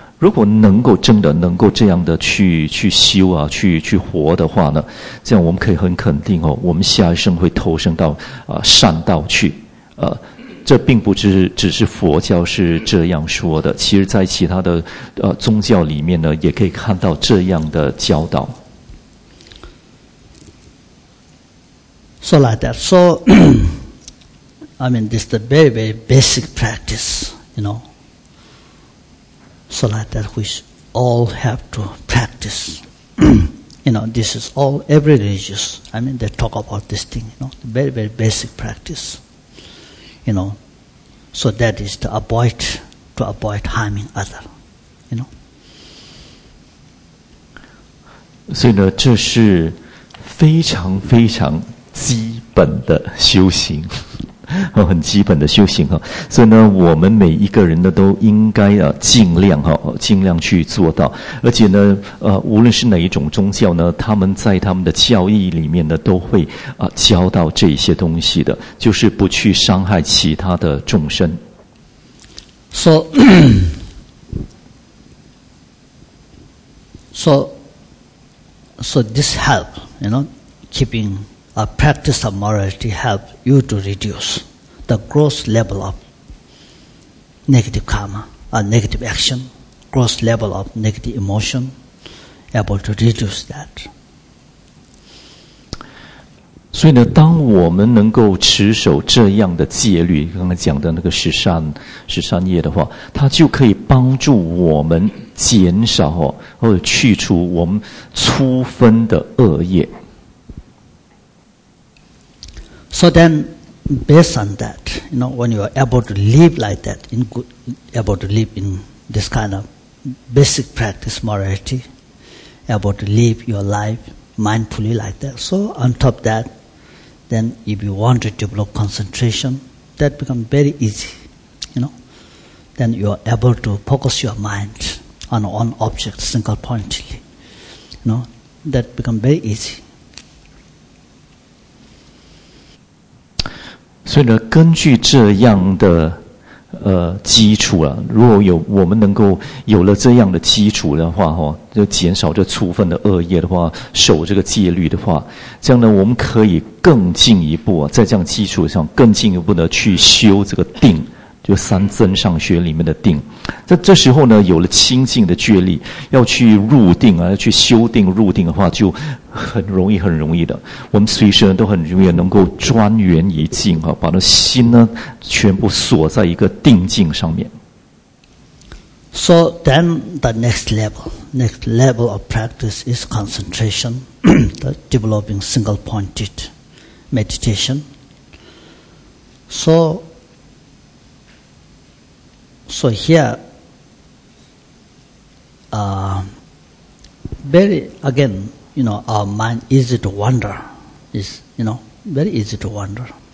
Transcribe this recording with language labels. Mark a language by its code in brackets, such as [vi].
[zh] 如果能够真的能够这样的去修啊，去活的话呢，这样我们可以很肯定哦，我们下一生会投生到善道去。这并不只是佛教是这样说的，其实在其他的宗教里面呢，也可以看到这样的教导。 [en] So like that. So, I mean, this is the very, very basic practice, you know. So like that, we all have to practice. You know, this is all, every religious, I mean, they talk about this thing, you know, very, very basic practice. You know, so that is to avoid harming others, you know. [zh] 所以呢，这是非常非常基本的修行。很基本的修行，所以呢，我们每一个人呢都应该尽量去做到。而且呢，无论是哪一种宗教呢，他们在他们的教义里面呢都会教到这些东西的，就是不去伤害其他的众生。 [en] So this help, you know, keeping a practice of morality help you to reduce. The gross level of negative karma, negative action, gross level of negative emotion, able to reduce that. [zh] 所以呢，当我们能够持守这样的戒律，刚才讲的那个十善业的话，它就可以帮助我们减少或者去除我们粗分的恶业。 [en] So then. Based on that, you know, when you are able to live like that, able to live in this kind of basic practice morality, able to live your life mindfully like that. So on top of that, then if you want to develop concentration, that becomes very easy, you know. Then you are able to focus your mind on one object single-pointedly, you know, that becomes very easy. [zh] 所以呢，根据这样的基础啊，如果有我们能够有了这样的基础的话，就减少这粗分的恶业的话，守这个戒律的话，这样呢，我们可以更进一步啊，在这样基础上更进一步的去修这个定就三增上学里面的定，在这时候呢，有了清净的觉力，要去入定啊，要去修定入定的话，就很容易，很容易的。我们随时都很容易能够专缘一境啊，把那心呢全部锁在一个定境上面。 [en] So then the next level of practice is concentration, the developing single-pointed meditation. So here, very again, you know, our mind easy to wander, very easy to wander.